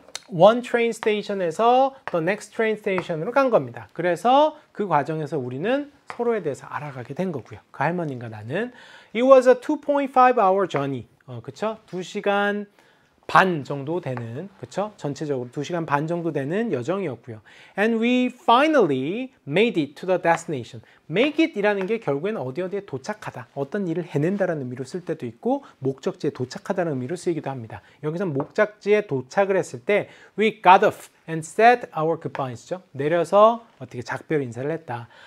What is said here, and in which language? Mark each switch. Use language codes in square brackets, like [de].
[en] One train station에서 the next train station으로 [ko] 간 겁니다. 그래서 그 과정에서 우리는 서로에 대해서 알아가게 된 거고요. 그 할머니가 나는 [en] It was a 2.5-hour journey. [ko] 그쵸? 2시간 반 정도 되는, 그쵸? 전체적으로 2시간 반 정도 되는 여정이었고요. [en] And we finally made it to the destination. [ko] Make it이라는 게 결국엔 어디에 도착하다, 어떤 일을 해낸다라는 의미로 쓸 때도 있고 목적지에 도착하다는 의미로 쓰이기도 합니다. 여기서 목적지에 도착을 했을 때 [en] we got off and said our goodbyes죠. [ko] 내려서 작별 인사를 했다.